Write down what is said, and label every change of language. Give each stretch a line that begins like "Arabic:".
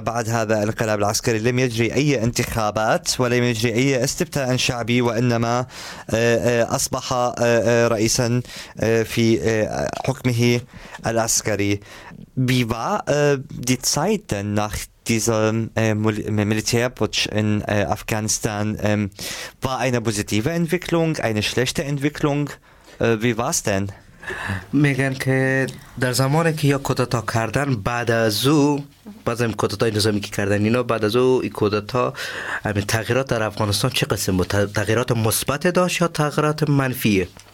Arabic: بعد هذا الانقلاب العسكري لم يجري أي انتخابات ولم يجري أي استفتاء شعبي، وإنما أصبح رئيسا في حكمه العسكري.
German: Wie war die Zeit denn nach diesem Militärputsch in Afghanistan? War eine positive Entwicklung, eine schlechte Entwicklung? Wie war es denn?
Persian: میگن که در زمانی که یا کودتا کردن بعد از او بازم کودتا نظامی که کردن اینا بعد از او این کودتا همین تغییرات در افغانستان چه قسم بود؟ تغییرات مثبت داشت یا تغییرات منفی؟